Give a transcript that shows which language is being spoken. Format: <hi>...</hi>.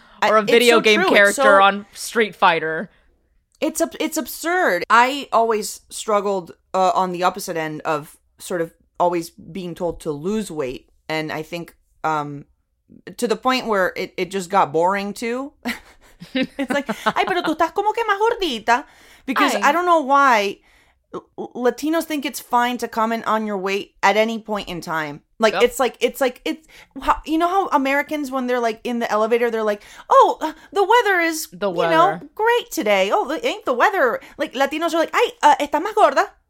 <en>Or a video game character on Street Fighter. It's absurd. I always struggled on the opposite end of sort of always being told to lose weight. And I think... to the point where it just got boring too. It's like,</en> <es>ay, pero tú estás como que más gordita.</es> <en>Because I don't know why Latinos think it's fine to comment on your weight at any point in time. Like, yep. it's like, you know how Americans, when they're like in the elevator, they're like, oh, the weather is, the you weather. Know, great today. Oh, ain't the weather. Like, Latinos are like,</en> <es>ay, está más gorda.</es>